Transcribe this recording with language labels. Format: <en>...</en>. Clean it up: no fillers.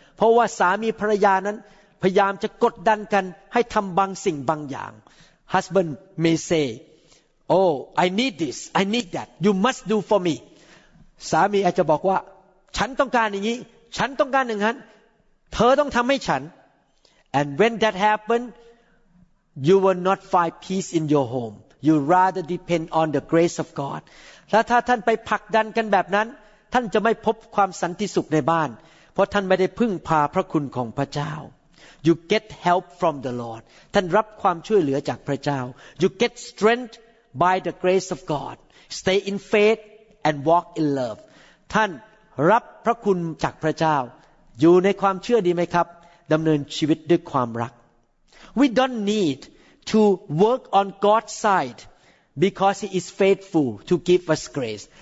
<th>เพราะว่าสามีภรรยานั้นพยายามจะกดดันกันให้ทำบางสิ่งบางอย่าง</th> <en>Husband may say, "Oh, I need this. I need that. You must do for me."</en> <th>สามีอาจจะบอกว่าฉันต้องการอย่างนี้ฉันต้องการอย่างนั้นเธอต้องทำให้ฉัน</th> <en>And when that happens, you will not find peace in your home. You rather depend on the grace of God.</en> <th>และถ้าท่านไปผลักดันกันแบบนั้นท่านจะไม่พบความสันติสุขในบ้านเพราะท่านไม่ได้พึ่งพาพระคุณของพระเจ้า</th> <en>You get help from the Lord.</en> <th>ท่านรับความช่วยเหลือจากพระเจ้า</th> <en>You get strength by the grace of God. Stay in faith and walk in love.</en> <th>ท่านรับพระคุณจากพระเจ้าอยู่ในความเชื่อดีไหมครับดำเนินชีวิตด้วยความรัก</th> <en>We don't needTo work on God's side because He is faithful to give us grace.</en>